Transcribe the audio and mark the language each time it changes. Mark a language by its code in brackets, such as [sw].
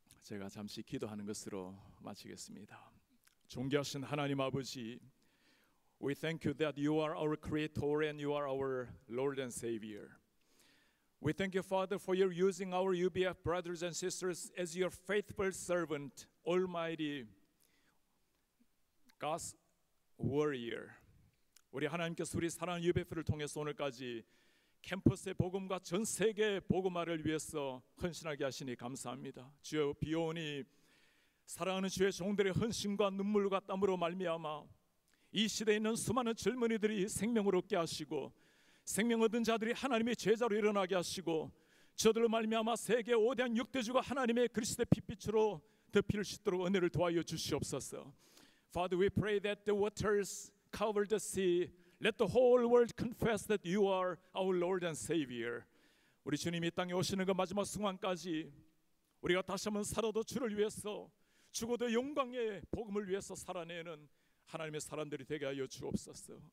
[en] I'll just pray for a moment and finish. Gracious Heavenly Father, we thank you that you are our Creator and you are our Lord and Savior. We thank you, Father, for your using our UBF brothers and sisters as your faithful servant, Almighty God's warrior. [ko] 우리 하나님께서 우리 사랑 UBF를 통해서 오늘까지 캠퍼스의 복음과 전 세계의 복음화를 위해서 헌신하게 하시니 감사합니다. 주여 비오니 사랑하는 주의 종들의 헌신과 눈물과 땀으로 말미암아 이 시대에 있는 수많은 젊은이들이 생명을 얻게 하시고 생명 얻은 자들이 하나님의 제자로 일어나게 하시고 저들로 말미암아 세계 5대한 6대주가 하나님의 그리스도의 핏빛으로 덮일 수 있도록 은혜를 도와여 주시옵소서. [en] Father, we pray that the waters cover the sea. Let the whole world confess that you are our Lord and Savior. [ko] 우리 주님이 땅에 오시는 그 마지막 순간까지 우리가 다시 한번 살아도 주를 위해서 죽어도 영광의 복음을 위해서 살아내는 하나님의 사람들이 되게 하여 주옵소서.